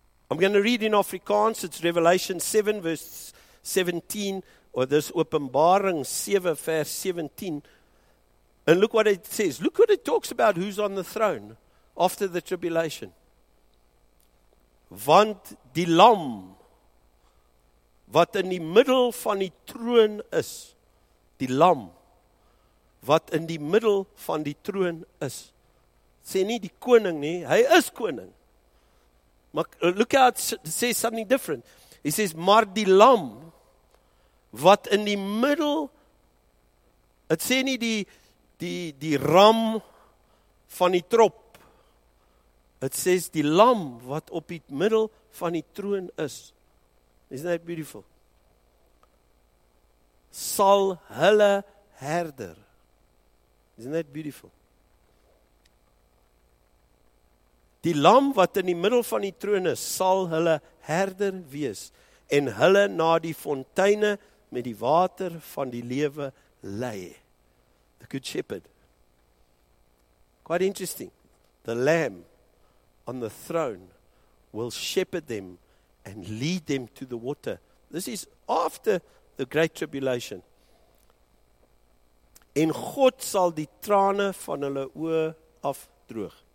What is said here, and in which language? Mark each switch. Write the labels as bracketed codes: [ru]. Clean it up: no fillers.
[en] I'm going to read in Afrikaans. It's Revelation 7 verse 17, or this Openbaring 7 verse 17. And look what it says. Look what it talks about who's on the throne after the tribulation. [af] Want die lam wat in die middel van die troon is. Die lam wat in die middel van die troon is. Sê nie die koning nie, hy is koning. Maar [en] look how it says something different. [af] He says, maar die lam, wat in die middel, het sê nie die ram van die trop, het sê die lam, wat op die middel van die troon is, [en] isn't that beautiful, [af] sal hulle herder, isn't that beautiful, die lam wat in die middel van die troon is, sal hulle herder wees, en hulle na die fonteine met die water van die lewe lei. [en] The good shepherd. Quite interesting. The lamb on the throne will shepherd them and lead them to the water. This is after the great tribulation. [af] En God sal die trane van hulle oë afdroog.